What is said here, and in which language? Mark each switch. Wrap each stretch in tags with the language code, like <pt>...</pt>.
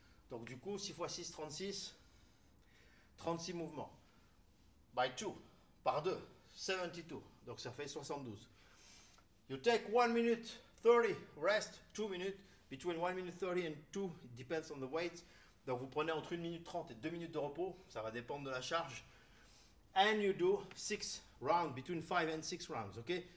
<fr>Donc du coup 6 fois 6, 36. 36 mouvements.</fr> <en>By 2,</en> <fr>par 2, 72. Donc ça fait 72.</fr> <en>You take 1 minute 30, rest 2 minutes. Between 1 minute 30 and 2, it depends on the weight.</en> <fr>Donc vous prenez entre 1 minute 30 et 2 minutes de repos. Ça va dépendre de la charge.</fr> <en>And you do 6 rounds, between 5 and 6 rounds, ok?</en>